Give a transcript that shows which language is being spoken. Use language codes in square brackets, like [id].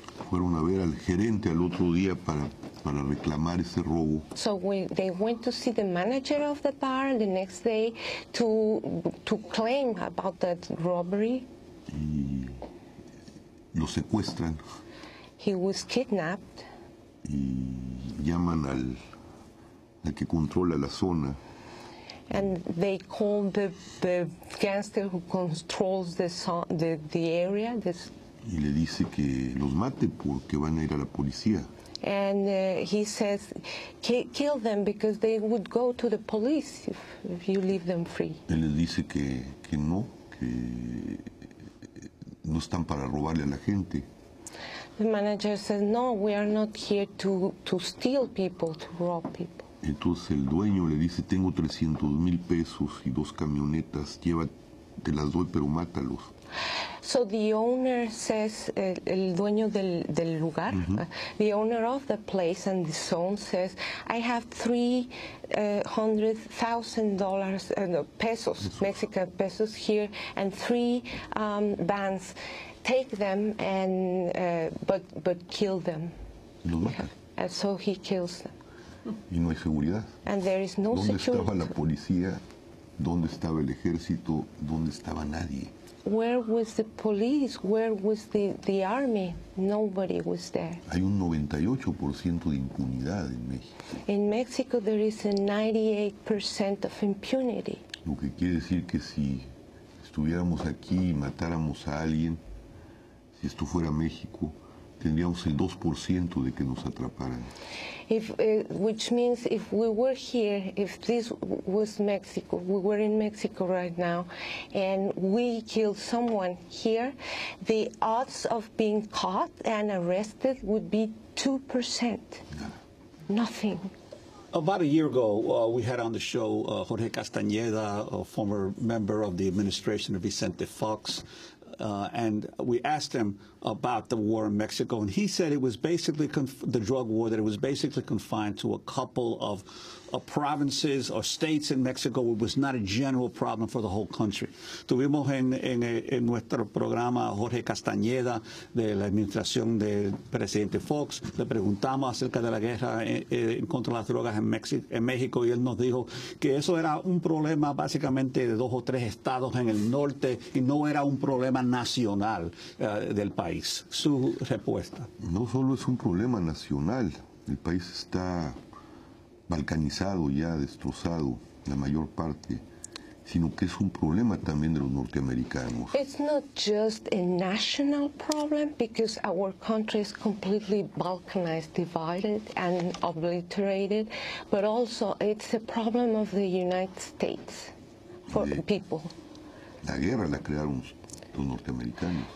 [es] Fueron a ver al gerente al otro día para reclamar ese robo. [en] So they went to see the manager of the bar the next day to claim about that robbery. [es] Y lo secuestran. [en] He was kidnapped. [es] Y llaman al que controla la zona. [en] And they call the gangster who controls the area. [es] Y le dice que los mate porque van a ir a la policía. [en] And he says, kill them because they would go to the police if you leave them free. [es] Él le dice que no, que no están para robarle a la gente. [en] The manager says, no, we are not here to steal people, to rob people. [es] Entonces el dueño le dice, tengo 300,000 pesos y dos camionetas, te las doy, pero mátalos. [en] So the owner says, [es] el dueño del lugar, [en] the owner of the place and the zone says, I have $300,000 pesos, Mexican pesos here, and three vans. Take them and but kill them. [es] Los mata. [en] And so he kills them. [es] Y no hay seguridad. [en] And there is no [es] ¿Dónde [en] security. [es] Estaba la policía? ¿Dónde estaba el ejército? ¿Dónde estaba nadie? [en] Where was the police? Where was the army? Nobody was there. [es] Hay un 98% de impunidad en México. [en] In Mexico there is a 98% of impunity. [es] Lo que quiere decir que si estuviéramos aquí y matáramos a alguien, si esto fuera México, tendríamos el 2% de que nos atraparan. [en] Which means if we were here, if this was Mexico, we were in Mexico right now, and we killed someone here, the odds of being caught and arrested would be 2%. [es] Nada. [en] Nothing. About a year ago, we had on the show Jorge Castañeda, a former member of the administration of Vicente Fox. And we asked him about the war in Mexico, and he said it was basically the drug war, that it was basically confined to a couple of provinces or states in Mexico. It was not a general problem for the whole country. [es] Tuvimos en nuestro programa Jorge Castañeda de la administración del presidente Fox. Le preguntamos acerca de la guerra en contra de las drogas en México, y él nos dijo que eso era un problema básicamente de dos o tres estados en el norte y no era un problema nacional del país. Su respuesta. No solo es un problema nacional. El país está balcanizado ya, destrozado, la mayor parte, sino que es un problema también de los norteamericanos. [en] It's not just a national problem, because our country is completely balkanized, divided, and obliterated, but also it's a problem of the United States for people. [es] La guerra la crearon los norteamericanos.